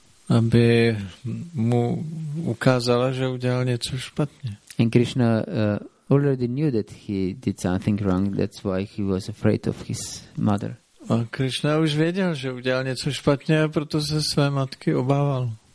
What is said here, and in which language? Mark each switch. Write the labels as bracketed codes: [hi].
[cs] Aby mu ukázala, že udělal něco špatně. [en] And Krishna already knew that he did something wrong. That's why he was afraid of his mother. [cs] A Krishna už věděl, že udělal něco špatně, proto se své matky obával.